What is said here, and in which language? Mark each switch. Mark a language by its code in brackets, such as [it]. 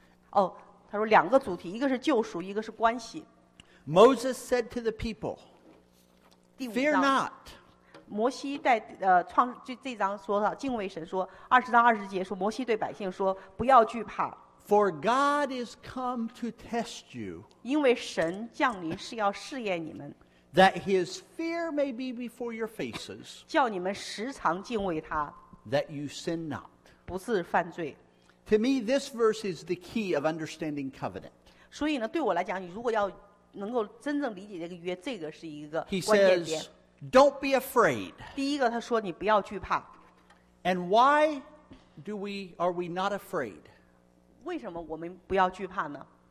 [zh] 哦，他说两个主题，一个是救赎，一个是关系。 [en] Moses said to the people, "Fear not." [zh] 摩西在创就这章说到敬畏神说，说二十章二十节说，摩西对百姓说，不要惧怕。 [en] For God is come to test you. [zh] 因为神降临是要试验你们。 [en] That his fear may be before your faces. [zh] 叫你们时常敬畏他。 [en] That you sin not. [zh] 不是犯罪。 [en] To me, this verse is the key of understanding covenant. [zh] 所以呢，对我来讲，你如果要能够真正理解这个约，这个是一个关键点。 [en] He says, "Don't be afraid." [zh] 第一个，他说你不要惧怕。 [en] And why are we not afraid? [zh] 为什么我们不要惧怕呢？